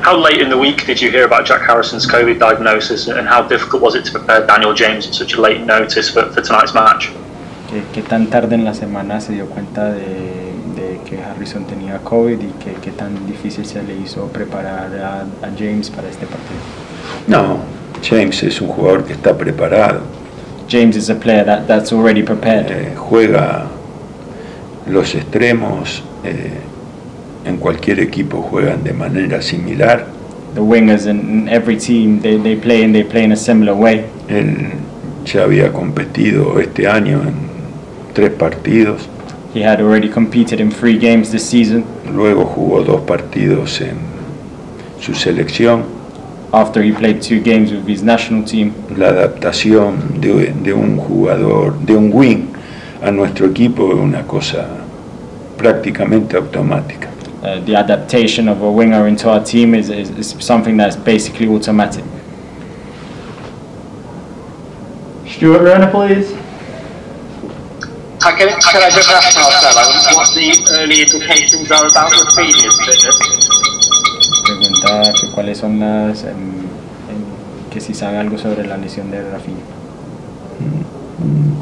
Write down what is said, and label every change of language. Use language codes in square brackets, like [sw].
[en] How late in the week did you hear about Jack Harrison's COVID diagnosis, and how difficult was it to prepare Daniel James at such a late notice for tonight's match? [es] ¿Qué tan tarde en la semana se dio cuenta de que Harrison tenía COVID y qué tan difícil se le hizo preparar a James para este partido? No, James es un jugador que está preparado. [en] James is a player that's already prepared. [es] Juega los extremos. En cualquier equipo juegan de manera similar. [en] The wingers in every team they play in a similar way. [es] Él ya había competido este año en 3 partidos. [en] He had already competed in 3 games this season. [es] Luego jugó 2 partidos en su selección. [en] After he played 2 games with his national team. [es] La adaptación de un jugador, de un wing, a nuestro equipo es una cosa prácticamente automática. [en] The adaptation of a winger into our team is something that's basically automatic. Stuart Renner, please. Can I just ask Marcelo what the early indications are about the previous fitness? [es] Pregunta que cuáles son las que si sabe algo sobre la lesión de Rafinha.